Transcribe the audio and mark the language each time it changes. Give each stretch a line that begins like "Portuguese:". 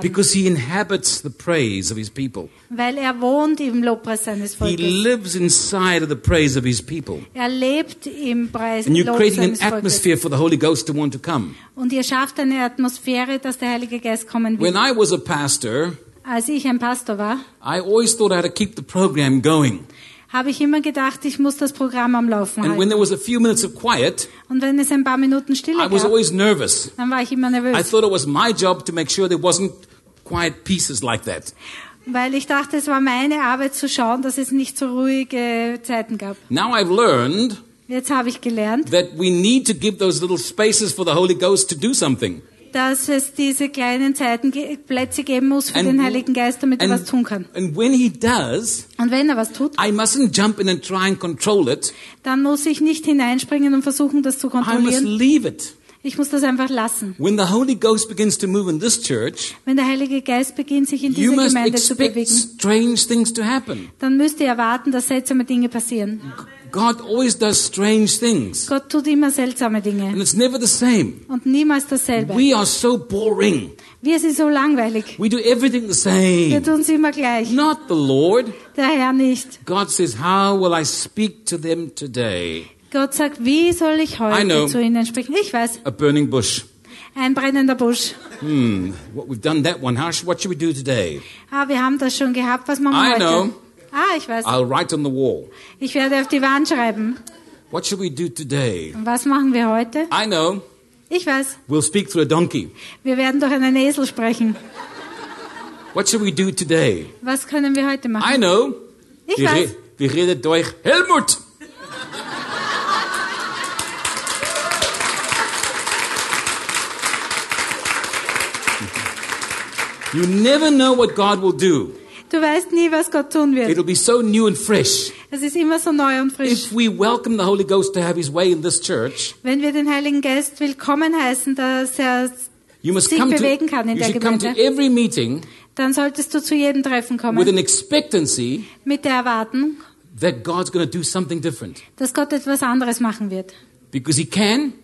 English: Because he inhabits the praise of his people.
German: Weil er wohnt im Lobpreis seines Volkes.
English: He lives inside of the praise of his people.
German: Er lebt im Preis.
English: And you're creating an atmosphere for the Holy Ghost to want to come.
German: Und ihr schafft eine Atmosphäre, dass der Heilige Geist kommen will.
English: When I was a pastor,
German: als ich ein Pastor war,
English: I always thought I had to keep the program going.
German: Habe ich immer gedacht, ich muss das Programm am Laufen halten.
English: And when there was a few minutes of quiet,
German: und wenn es ein paar Minuten Stille
English: I was
German: gab,
English: always nervous.
German: Dann war ich immer nervös.
English: I thought it was my job to make sure there wasn't quiet pieces like that.
German: Weil ich dachte, es war meine Arbeit zu schauen, dass es nicht so ruhige Zeiten gab.
English: Now I've learned,
German: jetzt habe ich gelernt,
English: that we need to give those little spaces for the Holy Ghost to do something.
German: Dass es diese kleinen Zeiten, Plätze geben muss für den Heiligen Geist, damit er was tun kann.
English: And when he does,
German: und wenn er was tut,
English: I mustn't jump in and try and control it.
German: Dann muss ich nicht hineinspringen und versuchen, das zu kontrollieren.
English: I must leave it.
German: Ich muss das einfach lassen.
English: When the Holy Ghost begins to move in this church,
German: wenn der Heilige Geist beginnt, sich in dieser Gemeinde zu bewegen,
English: strange things to happen.
German: Dann müsst ihr erwarten, dass seltsame Dinge passieren.
English: God always does strange things.
German: Gott tut immer seltsame Dinge.
English: And it's never the same.
German: Und niemals dasselbe.
English: We are so boring.
German: Wir sind so langweilig.
English: We do everything the same.
German: Wir tun's immer gleich.
English: Not the Lord.
German: Der Herr nicht.
English: God says, "How will I speak to them today?"
German: Gott sagt, wie soll ich heute zu ihnen sprechen? Ich weiß.
English: A burning bush.
German: Ein brennender Busch.
English: What we've done that one. What should we do today?
German: Ah, wir haben das schon gehabt. Was machen wir heute?
English: I know.
German: Ah, ich weiß.
English: I'll write on the wall.
German: Ich werde auf die Wand schreiben.
English: What should we do today?
German: Was machen wir heute?
English: I know.
German: Ich weiß.
English: We'll speak through a donkey.
German: Wir werden durch einen Esel sprechen.
English: What should we do today?
German: Was können wir heute machen?
English: I know.
German: Ich weiß. Wir reden durch Helmut.
English: You never know what God will do.
German: Du weißt nie, was Gott tun wird.
English: It'll be so new and fresh.
German: Es ist immer so neu und frisch.
English: If we welcome the Holy Ghost to have his way in this church,
German: wenn wir den Heiligen Geist willkommen heißen, dass er sich bewegen kann in der Gemeinde,
English: you come to every meeting,
German: dann solltest du zu jedem Treffen kommen,
English: with an expectancy,
German: mit der Erwartung,
English: that God's gonna do something different,
German: dass Gott etwas anderes machen wird.
English: Because he can,